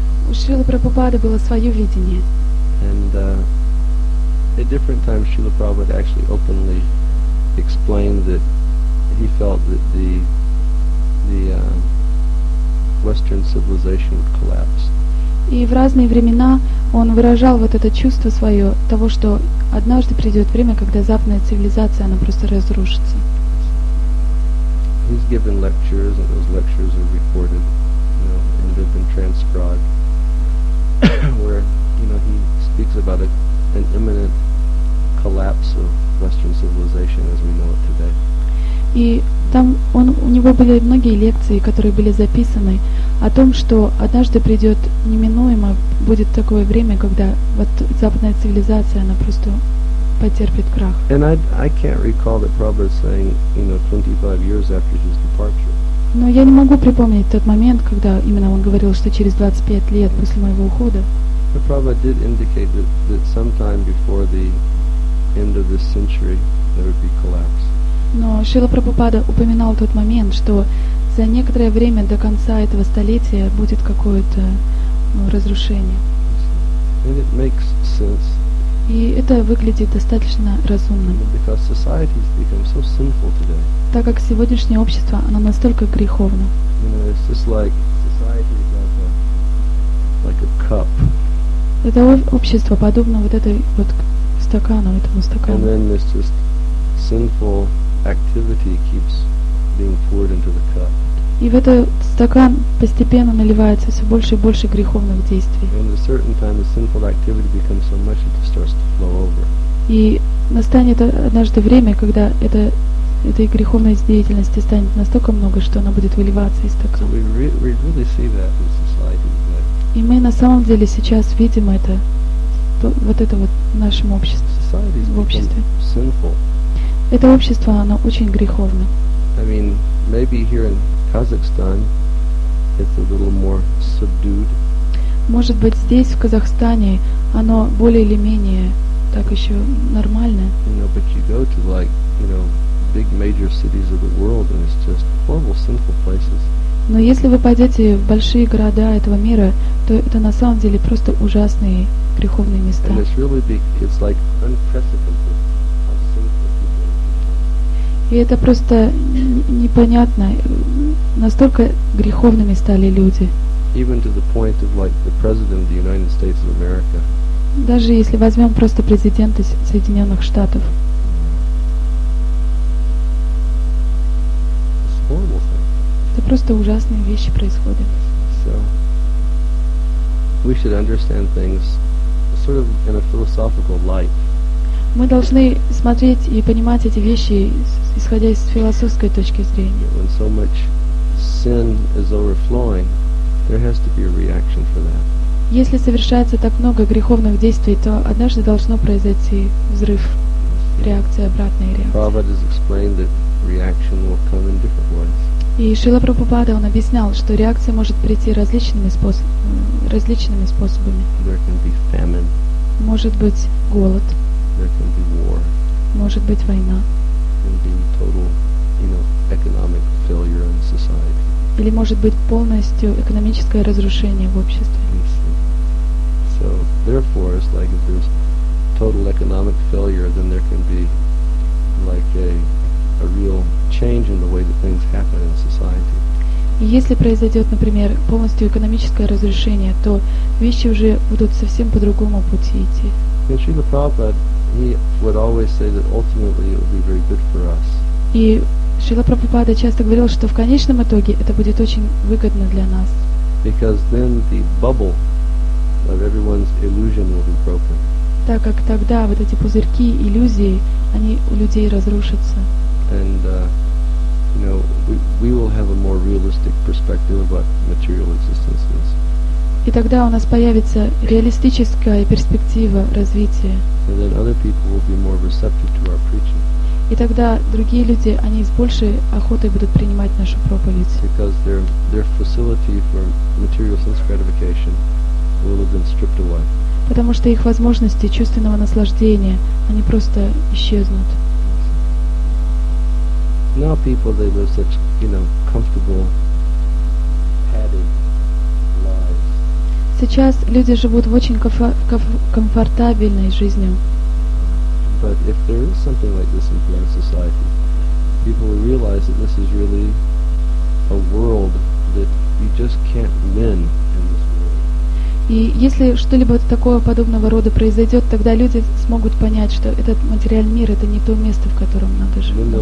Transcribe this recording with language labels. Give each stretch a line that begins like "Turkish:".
Russian: У Шрилы Прабхупады было свое видение.
English: And at different times Srila Prabhupada actually openly explained that he felt that the Western civilization would collapse.
Russian: И в разные времена он выражал вот это чувство свое того, что однажды придет время, когда западная цивилизация, она просто разрушится.
English: He's given lectures, and those lectures are recorded, you know, and they've been transcribed, where, you know, he speaks about an imminent collapse of Western civilization as we know it today.
Russian: И там у него были многие лекции, которые были записаны, о том, что однажды придет неминуемо, будет такое время, когда вот западная цивилизация, она просто потерпит крах.
English: And I can't recall that Prabhupada saying, you know, 25 years after his departure.
Russian: Но я не могу припомнить тот момент, когда именно он говорил, что через 25 лет после моего ухода.
English: But Prabhupada did indicate that sometime before the end of this century there would be collapse.
Russian: Но Шрила Прабхупада упоминал тот момент, что за некоторое время до конца этого столетия будет какое-то разрушение.
English: And it makes sense.
Russian: И это выглядит достаточно разумным.
English: Because society has become so sinful today.
Russian: Так как сегодняшнее общество, оно настолько греховно.
English: You know, it's just like society is like a cup.
Russian: Это общество подобно вот этой вот стакану, этому стакану.
English: And then there's just sinful activity keeps being poured into the cup.
Russian: И в этот стакан постепенно наливается все больше и больше греховных действий.
English: And at a certain time, the sinful activity becomes so much it starts to flow over.
Russian: И настанет однажды время, когда это этой греховной деятельности станет настолько много, что она будет выливаться из стакана.
English: So we really see that in society today.
Russian: И мы на самом деле сейчас видим это, то, вот это вот в нашем обществе.
English: Society's
Russian: в обществе.
English: Become sinful.
Russian: Это общество, оно очень греховно.
English: I mean, maybe here in Kazakhstan, it's a little more subdued.
Russian: Может быть, здесь, в Казахстане, оно более или менее так еще нормально.
English: You know, but you go to like, you know, big major cities of the world and it's just horrible sinful places.
Russian: Но если вы пойдете в большие города этого мира, то это на самом деле просто ужасные греховные места.
English: And it's really big, it's like unprecedented.
Russian: И это просто непонятно, настолько греховными стали люди.
English: Even to the point of like the president of the United States of America.
Russian: Даже если возьмем просто президента Соединенных Штатов.
English: It's horrible thing.
Russian: Это просто ужасные вещи происходят.
English: So, we should understand things sort of in a philosophical light.
Russian: Мы должны смотреть и понимать эти вещи, исходя из философской точки зрения.
English: When so much sin is overflowing, there has to be a reaction for that.
Russian: Если совершается так много греховных действий, то однажды должно произойти взрыв, реакция, обратная реакция.
English: Prabhupada has explained that reaction will come in different ways.
Russian: И Шрила Прабхупада, он объяснял, что реакция может прийти различными способами.
English: There can be famine.
Russian: Может быть голод.
English: There can be war.
Russian: Может быть война.
English: Can be total, you know, economic failure in society.
Russian: Или может быть полностью экономическое разрушение в обществе.
English: So therefore, it's like if there's total economic failure, then there can be like a real change in the way that things happen in society.
Russian: Если произойдет, например, полностью экономическое разрушение, то вещи уже будут совсем по другому пути идти.
English: And Srila Prabhupada, he would always say that ultimately it would be very good for us.
Russian: И Шрила Прабхупада часто говорил, что в конечном итоге это будет очень выгодно для нас.
English: Because then the bubble of everyone's illusion will be broken.
Russian: Так как тогда вот эти пузырьки иллюзии, они у людей разрушатся.
English: And you know, we will have a more realistic perspective about material existence.
Russian: И тогда у нас появится реалистическая перспектива развития.
English: And then other people will be more receptive to our preaching.
Russian: И тогда другие люди, они с большей охотой будут принимать нашу проповедь.
English: Because their facility for material sense gratification will have been stripped away.
Russian: Потому что их возможности чувственного наслаждения, они просто исчезнут.
English: Now people, they live such, you know, comfortable, padded.
Russian: Сейчас люди живут в очень комфортабельной жизнью.
English: But if there is something like this in current society, people will realize that this is really a world that you just can't win in this world.
Russian: И если что-либо такого подобного рода произойдет, тогда люди смогут понять, что этот материальный мир — это не то место, в котором надо жить.